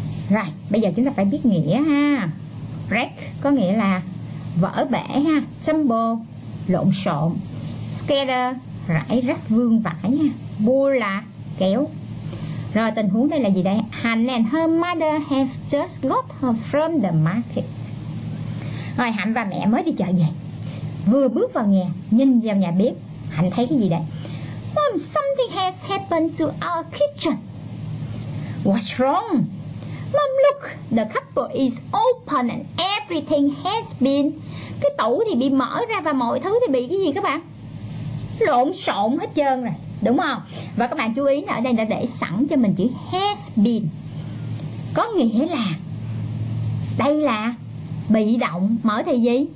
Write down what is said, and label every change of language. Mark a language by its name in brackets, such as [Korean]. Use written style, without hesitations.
[Vietnamese] Rồi, bây giờ chúng ta phải biết nghĩa ha. Break có nghĩa là vỡ bể ha, tumble lộn xộn, scatter rải rác vương vãi ha, pull là kéo. Rồi tình huống đây là gì đây? [English] Hạnh and her mother have just got her from the market. [Vietnamese] Rồi Hạnh và mẹ mới đi chợ về. Vừa bước vào nhà, nhìn vào nhà bếp, Hạnh thấy cái gì đây? [English] Mom, something has happened to our kitchen. What's wrong? Mom, look, the cupboard is open and everything has been. [Vietnamese] Cái tủ thì bị mở ra và mọi thứ thì bị cái gì các bạn? Lộn xộn hết trơn rồi, đúng không? Và các bạn chú ý ở đây đã để sẵn cho mình chữ has been. Có nghĩa là đây là bị động mở thì gì?